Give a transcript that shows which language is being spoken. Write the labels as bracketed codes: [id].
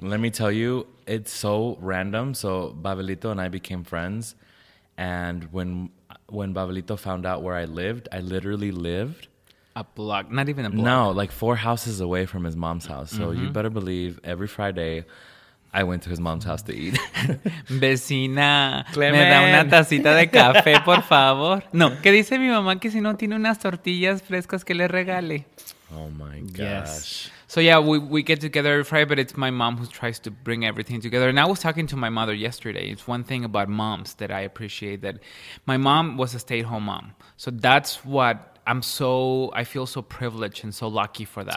[en] Let me tell you, it's so random. So Babelito and I became friends. And when Babelito found out where I lived, I literally lived a block, not even a block. No, like four houses away from his mom's house. So mm-hmm. You better believe every Friday I went to his mom's house to eat. [es] Vecina, Clement. Me da una tacita de café, por favor. No, que dice mi mamá que si no tiene unas tortillas frescas que le regale. [en] Oh my gosh. Yes. So yeah, we get together every Friday, but it's my mom who tries to bring everything together. And I was talking to my mother yesterday. It's one thing about moms that I appreciate, that my mom was a stay-at-home mom. So that's what I feel so privileged and so lucky for that.